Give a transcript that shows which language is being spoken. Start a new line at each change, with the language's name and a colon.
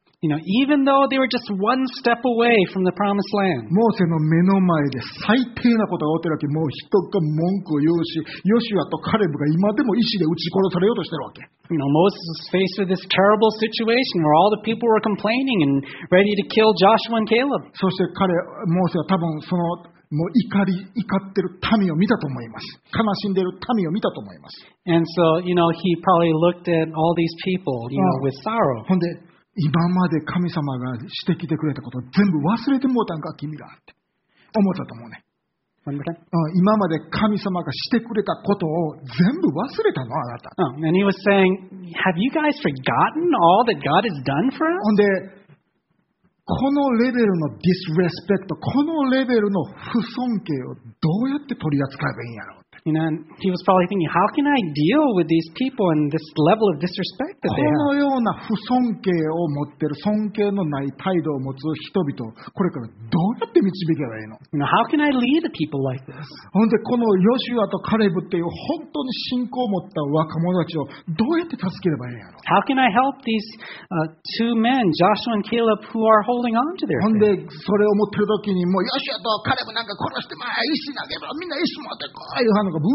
English: You know, even though they were just one step away from the promised land.
Japanese: モーセの目の前で最低なことが起きてるわけ。もう人が文句を言うし、ヨシュアとカレブが今でも石で撃ち殺されようとしてるわけ。
English: You know, Moses is faced with this terrible situation where all the people were complaining and ready to kill Joshua and Caleb.
Japanese: そして彼、モーセは多分そのもう怒ってる民を見たと思います。悲しんでる民を見たと思います。
English: And so, you know, he probably looked at all these people, you know, with sorrow.
Japanese: ほんで、今まで神様がしてきてくれたこと全部忘れてもうたんか、君らって思ったと思うね。今まで神様がしてくれたことを全部忘れたのあなた。
English: And he was saying, have you guys forgotten all that God has done for us?
Japanese: ほんで、このレベルのディスレスペクト、このレベルの不尊敬をどうやって取り扱えばいいんやろうって。
English: You know, he was probably thinking, how can I deal with these people and this level of disrespect that they have?
Japanese: このような不尊敬を持ってる、尊敬のない態度を持つ人々を、これからどうやって導けばいいの？
English: You know, how can I lead the people like this?
Japanese: ほんで、このヨシュアとカレブっていう本当に信仰を持った若者たちをどうやって助ければいいんやろう？
English: How can I help these two men, Joshua and Caleb, who are holding on to their faith?
Japanese: ほんで、それを持ってる時に、もうヨシュアとカレブなんか殺してまい、石投げろ、みんな石持ってこい、いう話。